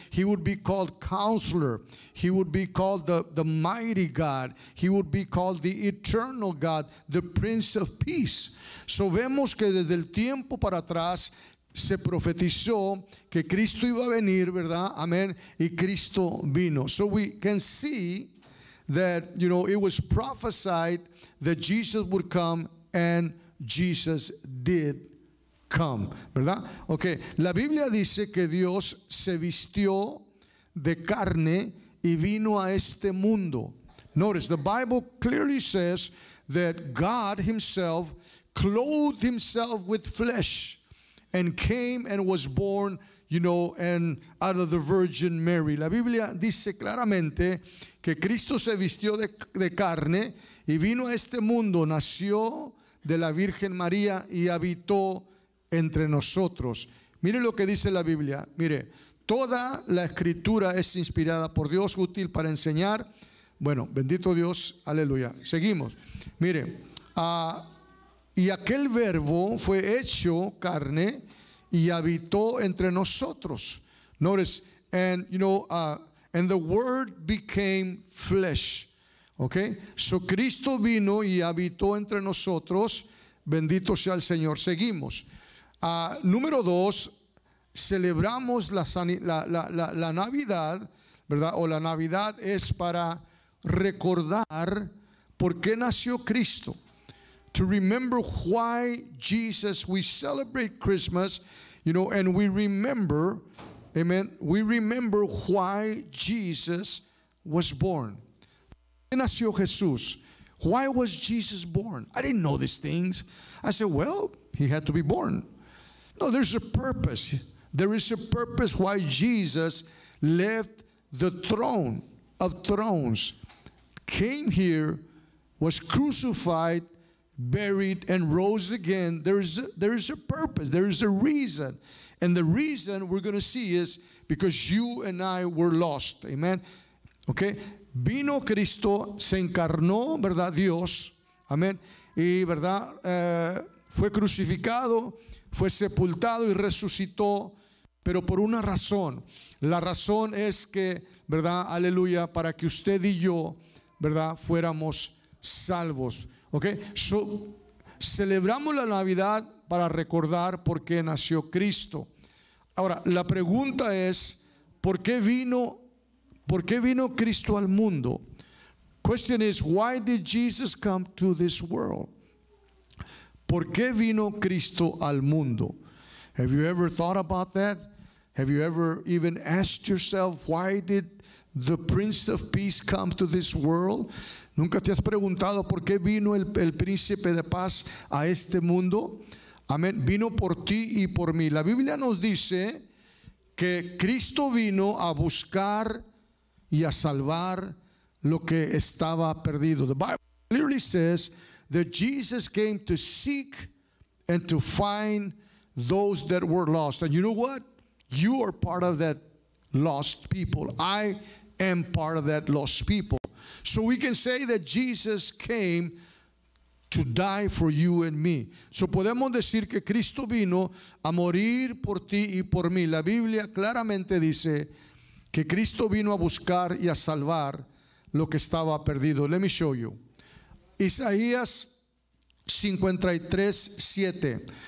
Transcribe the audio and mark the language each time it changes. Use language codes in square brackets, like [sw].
[en] He would be called Counselor. He would be called the Mighty God. He would be called the Eternal God, the Prince of Peace. [es] So vemos que desde el tiempo para atrás se profetizó que Cristo iba a venir, ¿verdad? Amen. Y Cristo vino. [en] So we can see that, you know, it was prophesied that Jesus would come, and Jesus did come, [es] ¿verdad? Okay, la Biblia dice que Dios se vistió de carne y vino a este mundo. [en] Notice, the Bible clearly says that God himself clothed himself with flesh and came and was born, you know, and out of the Virgin Mary. [es] La Biblia dice claramente que Cristo se vistió de carne y vino a este mundo, nació de la Virgen María y habitó entre nosotros. Mire lo que dice la Biblia. Mire, toda la escritura es inspirada por Dios, útil para enseñar, Bueno, bendito Dios, aleluya. Seguimos. Mire, y aquel verbo fue hecho carne y habitó entre nosotros. [en] Notice, and you know, and the word became flesh. Okay? [es] So Cristo vino y habitó entre nosotros. Bendito sea el Señor. Seguimos. Número dos, celebramos la Navidad, ¿verdad? O la Navidad es para recordar por qué nació Cristo. [en] To remember why Jesus, we celebrate Christmas, you know, and we remember, amen, we remember why Jesus was born. [es] ¿Por qué nació Jesús? [en] Why was Jesus born? I didn't know these things. I said, well, he had to be born. No, there's a purpose. There is a purpose why Jesus left the throne of thrones, came here, was crucified, buried, and rose again. There is a purpose. There is a reason. And the reason we're going to see is because you and I were lost. Amen. Okay. [es] Vino Cristo, se encarnó, ¿verdad? Dios. Amén. Y, ¿verdad? Fue crucificado, fue sepultado y resucitó, pero por una razón. La razón es que, ¿verdad? Aleluya, para que usted y yo, ¿verdad? Fuéramos salvos. ¿Ok? So, celebramos la Navidad para recordar por qué nació Cristo. Ahora, la pregunta es, ¿por qué vino Cristo al mundo? [en] Question is, why did Jesus come to this world? [es] ¿Por qué vino Cristo al mundo? [en] Have you ever thought about that? Have you ever even asked yourself, why did the Prince of Peace come to this world? [es] ¿Nunca te has preguntado por qué vino el Príncipe de Paz a este mundo? Amén. Vino por ti y por mí. La Biblia nos dice que Cristo vino a buscar y a salvar lo que estaba perdido. [en] The Bible clearly says that Jesus came to seek and to find those that were lost. And you know what? You are part of that lost people. I am part of that lost people. So we can say that Jesus came to die for you and me. [es] So podemos decir que Cristo vino a morir por ti y por mí. La Biblia claramente dice que Cristo vino a buscar y a salvar lo que estaba perdido. [en] Let me show you. [es] Isaías 53:7.